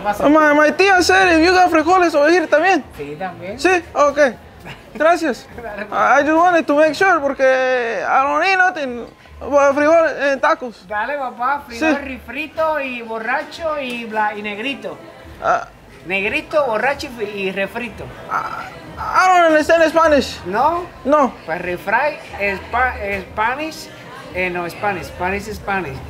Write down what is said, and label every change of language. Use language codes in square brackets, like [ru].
[en] My tía said, if you got frijoles over here, [es] también. Sí, también. Sí, okay. Gracias. [en] I just wanted to make sure, [es] porque [en] I don't eat nothing. [es] Frijoles en tacos. Dale, papá, frijoles, sí. Refrito y borracho y negrito. Negrito, borracho y refrito. [en] I don't understand Spanish. No? No. [es] Pues refry es Spanish, no Spanish, [en] Spanish is Spanish.